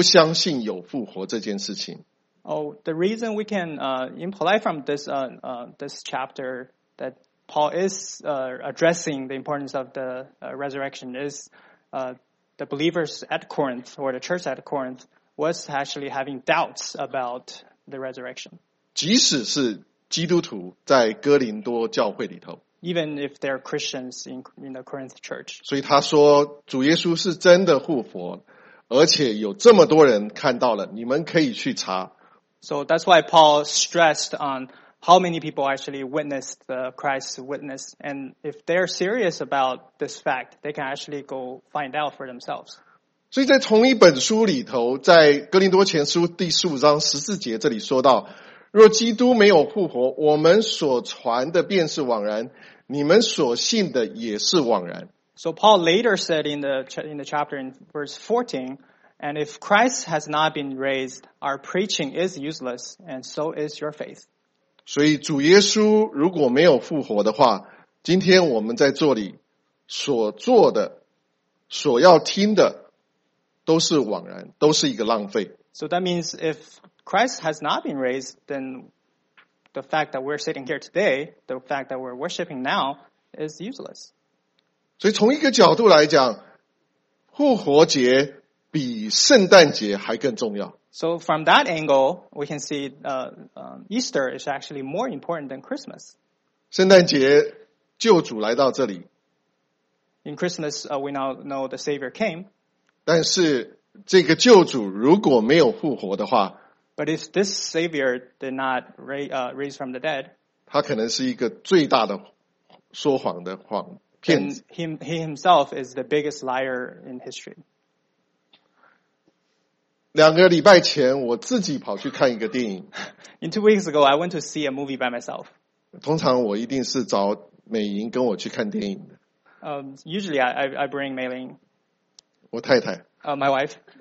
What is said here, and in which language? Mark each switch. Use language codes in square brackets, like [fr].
[zh] 你可以想象哥林多的当时的信徒其实有很多的怀疑，因为他们不相信有复活这件事情。Oh, [en] the reason we can imply from this this chapter that Paul is addressing the importance of the resurrection is the believers at Corinth or the church at Corinth was actually having doubts about the resurrection. [zh] 即使是基督徒在哥林多教会里头, [en] even if they're Christians in the Corinth church. [zh] 所以他说主耶稣是真的复活,而且有这么多人看到了,你们可以去查。 [en] So that's why Paul stressed on how many people actually witnessed the Christ's witness, and if they're serious about this fact, they can actually go find out for themselves. [zh] 所以在同一本书里头，在哥林多前书第十五章十四节这里说到，若基督没有复活，我们所传的便是枉然，你们所信的也是枉然。 [en] So Paul later said in the chapter in verse 14, and if Christ has not been raised, our preaching is useless, and so is your faith. [zh] 所以主耶稣如果没有复活的话，今天我们在这里所做的、所要听的都是枉然，都是一个浪费。 [en] So that means if Christ has not been raised, then the fact that we're sitting here today, the fact that we're worshiping now, is useless. [zh] 所以从一个角度来讲，复活节比圣诞节还更重要。 [en] So from that angle, we can see Easter is actually more important than Christmas. [zh] 圣诞节救主来到这里。 [en] In Christmas, we now know the Savior came. [zh] 但是这个救主如果没有复活的话， [en] But if this Savior did not raise from the dead, [zh] 他可能是一个最大的说谎的谎骗子。 [en] He himself is the biggest liar in history. [zh] 两个礼拜前，我自己跑去看一个电影。 [en] In 2 weeks ago, I went to see a movie by myself. [zh] 通常我一定是找美莹跟我去看电影的。 [en] Usually I bring Mei Ling. [zh] 我太太。 [en] My wife.